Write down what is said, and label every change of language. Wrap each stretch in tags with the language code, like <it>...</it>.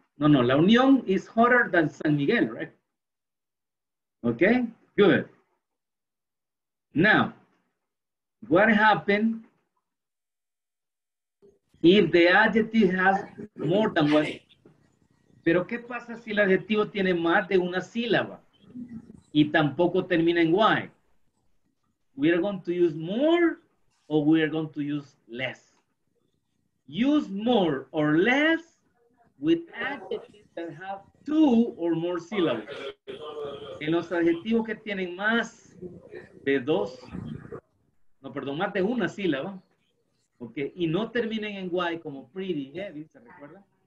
<en>No, no, La Unión is hotter than San Miguel, right? Okay, good. Now, what happens if the adjective has more than one?</en> <es>Pero ¿qué pasa si el adjetivo tiene más de una sílaba y tampoco termina en Y?</es> <en>We are going to use more or we are going to use less. Use more or less with adjectives that have two or more syllables.</en> <es>En los adjetivos que tienen más de dos, no, perdón, más de una sílaba, okay, y no terminen en Y como pretty heavy, ¿se recuerda?</es>